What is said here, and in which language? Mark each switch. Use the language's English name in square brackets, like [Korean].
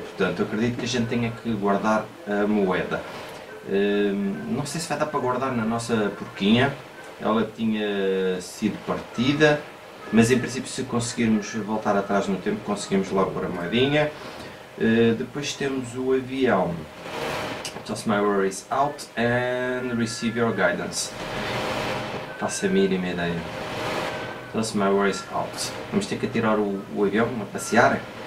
[Portuguese] Portanto, eu acredito que a gente tenha que guardar a moeda. Não sei se vai dar para guardar na nossa porquinha, ela tinha sido partida. Mas em princípio, se conseguirmos voltar atrás no tempo, conseguimos logo pôr a moedinha. Depois temos o avião. [English] Toss my worries out and receive your guidance. [Portuguese] Faço a mínima ideia. Toss my worries out. Vamos ter que atirar o avião a passear?